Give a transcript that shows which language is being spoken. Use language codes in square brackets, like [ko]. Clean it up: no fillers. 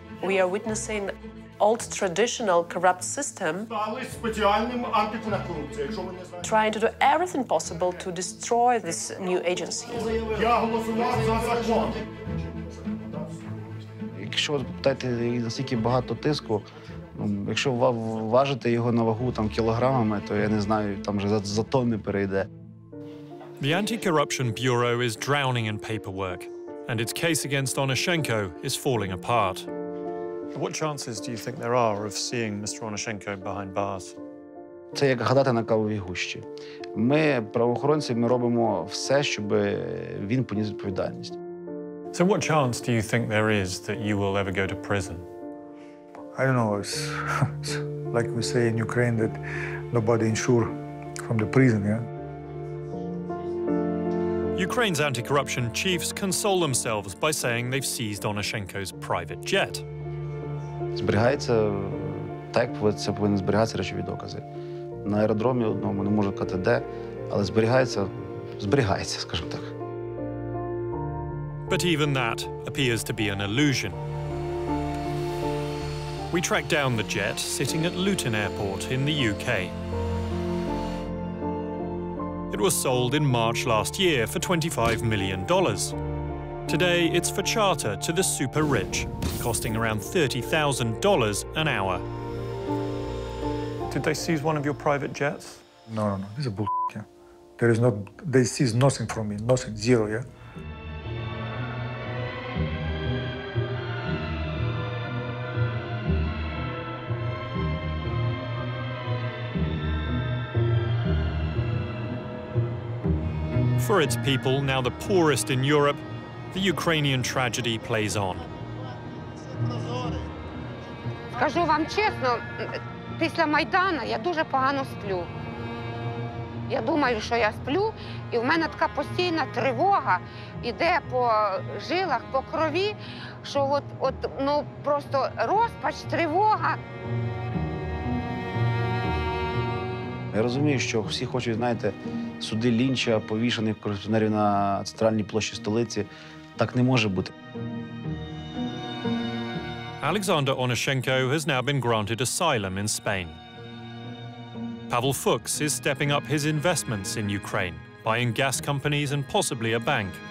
[en] We are witnessing old traditional corrupt system trying to do everything possible to destroy this new agency. [uk] Якщо питаєте, наскільки багато тиску, якщо важити його на вагу там кілограмами, то я не знаю, там вже за тонни перейде. [en] The Anti-Corruption Bureau is drowning in paperwork, and its case against Onoshenko is falling apart. What chances do you think there are of seeing Mr. Onoshenko behind bars? [uk] Це як гадати на кавовій гущі. Ми, правоохоронці, ми робимо все, щоб він поніс відповідальність. [en] So what chance do you think there is that you will ever go to prison? I don't know. It's like we say in Ukraine that nobody insure from the prison, yeah? Ukraine's anti-corruption chiefs console themselves by saying they've seized Onoshenko's private jet. [uk] Зберігається так, це повинні зберігатися речові докази. На аеродромі одному, не можу казати де, але зберігається, скажімо так. [en] But even that appears to be an illusion. We track down the jet sitting at Luton Airport in the UK. It was sold in March last year for $25 million. Today, it's for charter to the super rich, costing around $30,000 an hour. Did they seize one of your private jets? No. This is bullshit, yeah. There is not, they seize nothing from me, nothing, zero, yeah? For its people, now the poorest in Europe, the Ukrainian tragedy plays on. [uk] Скажу вам чесно, після Майдану я дуже погано сплю. Я думаю, що я сплю, і в мене така постійна тривога іде по жилах, по крові, що ну просто розпач, тривога. Я розумію, що всі хочуть, знаєте, суди лінча, повішених корупціонерів на центральній площі столиці. Так не може бути. [en] Alexander Onoshenko has now been granted asylum in Spain. Pavel Fuchs is stepping up his investments in Ukraine, buying gas companies and possibly a bank.